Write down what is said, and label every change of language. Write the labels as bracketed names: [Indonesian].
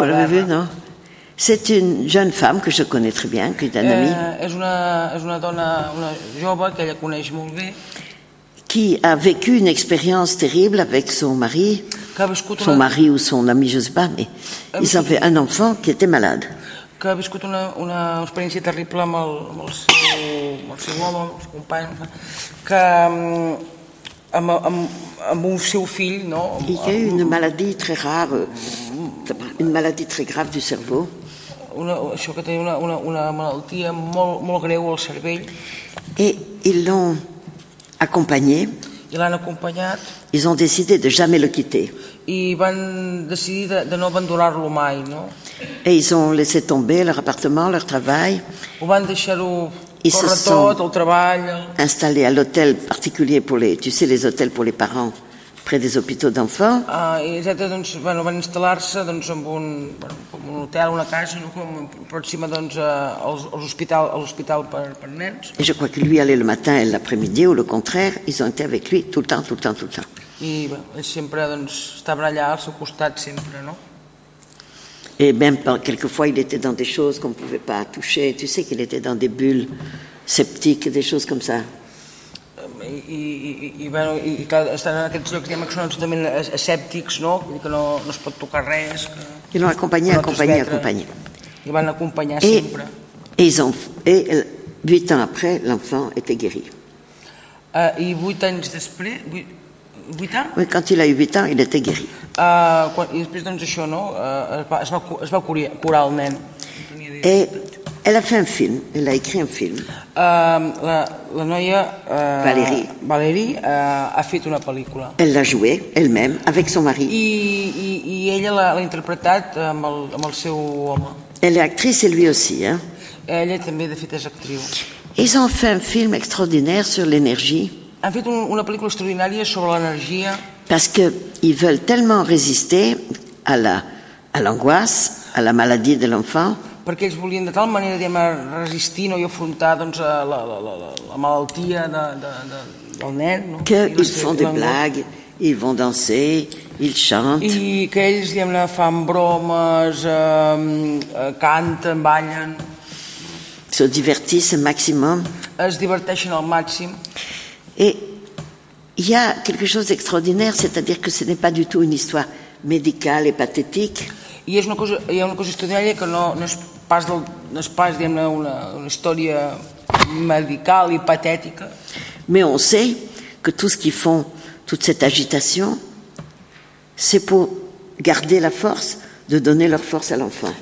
[Catalan] Per arribar, no. [French] C'est une jeune femme que je connais très bien, qui est un ami. [Catalan] És una dona, una jove que ella coneix molt bé. [French] Qui a vécu une expérience terrible avec son mari. Mari ou son ami, je ne sais pas, mais ils avaient un enfant qui était malade. [Catalan] Que ha viscut una experiència terrible amb el seu home, amb el seu company, que amb un seu fill, no? [French] Il y a eu une maladie très rare, une maladie très grave du cerveau. [Catalan] Això que té una malaltia molt greu al cervell. [French] Et ils l'ont accompagné. [Catalan] Ils l'han acompanyat. [French] Ils ont décidé de jamais le quitter. [Catalan] I van decidir de no abandonar-lo mai, no? [French] Et ils ont laissé tomber leur appartement, leur travail. [Catalan] Ho van deixar-ho córrer tot, el treball. [French] Installés à l'hôtel particulier pour les, tu sais, les hôtels pour les parents près des hôpitaux d'enfants. [Catalan] Van instal·lar-se doncs, en un hotel, una casa, pròxima doncs, a l'hospital per nens. [French] Et je crois que lui allait le matin et l'après-midi, ou le contraire, ils ont été avec lui tout le temps, tout le temps, tout le temps. [Catalan] I bueno, sempre doncs, estava allà al seu costat, sempre, no? [French] Et même quelquefois, il était dans des choses qu'on ne pouvait pas toucher. Tu sais qu'il était dans des bulles sceptiques, des choses comme ça. [Catalan] I clar, estan en aquests llocs que són absolutament escèptics, no? Que no es pot tocar res. I l'han acompanyat. I van acompanyar sempre. [French] Et 8 ans après, l'enfant était guéri. [Catalan] I 8 anys després... [French] 8 ans? Oui, quand il a eu 8 ans, il était guéri. [Catalan] I després, doncs, això, no? Es va curar el nen. [French] Et elle a fait un film, elle a écrit un film. [Catalan] La noia... Valérie ha fet una pel·lícula. [French] Elle l'a joué, elle-même, avec son mari. [Catalan] I ella l'ha interpretat amb el seu home. [French] Elle est actrice, et lui aussi. [Catalan] Ella també, de fet, és actriu. [French] Ils ont fait un film extraordinaire sur l'énergie. [Catalan] Han fet una pel·lícula extraordinària sobre l'energia. [French] Parce qu'ils veulent tellement résister à l'angoisse, à la maladie de l'enfant. [Catalan] Perquè ells volien de tal manera diguem, resistir no, i afrontar doncs, la malaltia del nen. No? [French] Que ils font des blagues, ils vont danser, ils chantent. [Catalan] I que ells diguem, fan bromes, canten, ballen. [French] Se divertissent [Catalan] al màxim. Es diverteixen al màxim. [French] Et il y a quelque chose d'extraordinaire, c'est-à-dire que ce n'est pas du tout une histoire médicale et pathétique. [Spanish] Y es una cosa, [Catalan] hi ha una cosa extraordinària que no és pas diguem, una història medical i patètica. [French] Mais on sait que tout ce qu'ils font, toute cette agitation, c'est pour garder la force, de donner leur force à l'enfant.